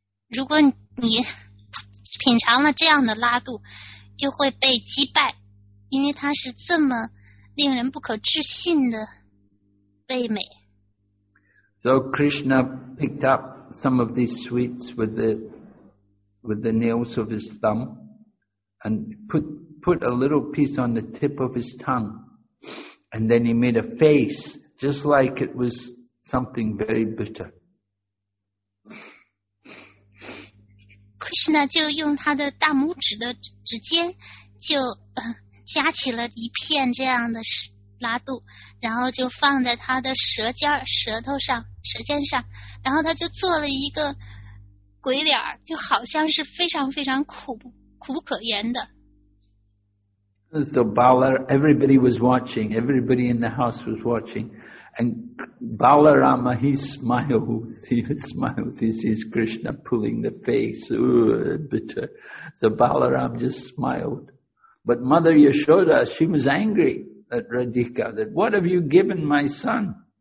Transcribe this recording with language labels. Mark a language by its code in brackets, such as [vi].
[zh] 如果你品尝了这样的拉肚，就会被击败，因为它是这么令人不可置信的味美。 [en] So Krishna picked up some of these sweets with the nails of his thumb and put a little piece on the tip of his tongue. And then he made a face just like it was something very bitter. [zh] Krishna 就用他的大拇指的指尖就夹起了一片这样的拉肚，然后就放在他的舌尖舌头上舌尖上，然后他就做了一个鬼脸，就好像是非常非常苦不可言的。 [en] So Balar, everybody was watching, everybody in the house was watching, and Balarama, he smiles, he sees Krishna pulling the face, bitter. So Balaram just smiled. But Mother Yashoda, she was angry at Radhika, that what have you given my son?